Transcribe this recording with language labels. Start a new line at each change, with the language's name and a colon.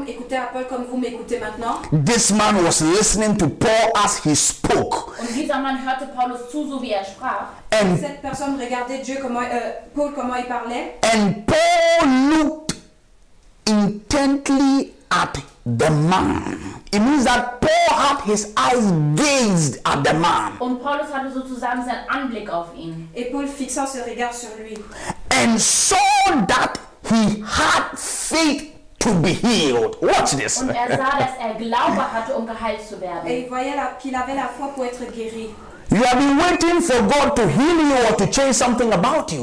English: This man was listening to Paul as he spoke.
German: Und dieser Mann hörte Paulus zu, so wie er sprach.
French: And cette personne regardait Dieu comment, Paul comment il parlait.
English: And Paul looked intently at the man. It means that Paul had his eyes gazed at the man.
German: Und Paulus hatte sozusagen seinen Anblick auf ihn.
French: Et Paul fixa ce regard sur lui.
English: And saw that he had faith to be healed. Watch this.
German: Und sah, dass Glaube hatte, geheilt zu werden.
French: Et il voyait qu'il avait la foi pour être guéri.
English: You have been waiting for God to heal you or to change something about you.